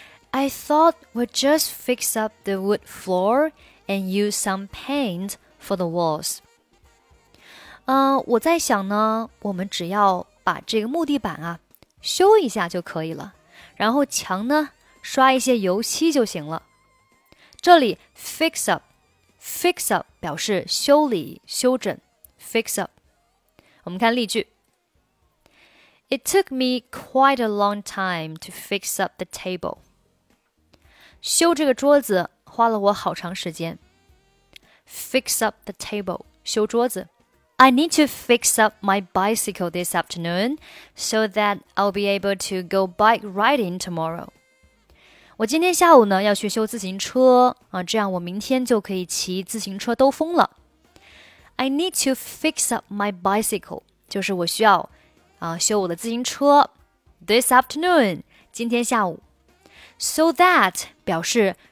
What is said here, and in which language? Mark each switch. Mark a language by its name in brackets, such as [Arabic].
[English] I thought we'd just fix up the wood floor and use some paint for the walls [Chinese] 我在想呢我们只要把这个木地板啊修一下就可以了然后墙呢刷一些油漆就行了这里 [English] fix up [Chinese] 表示修理修整 fix up 我们看例句 [English] It took me quite a long time to fix up the table [Chinese] 修这个桌子花了我好长时间 [English] fix up the table [Chinese] 修桌子 [English] I need to fix up my bicycle this afternoon so that I'll be able to go bike riding tomorrow. [Chinese] 我今天下午呢要去修自行车这样我明天就可以骑自行车兜风了。 [English] I need to fix up my bicycle, [Chinese] 就是我需要修我的自行车 [English] this afternoon, [Chinese] 今天下午。 [English] So that [Chinese] 表示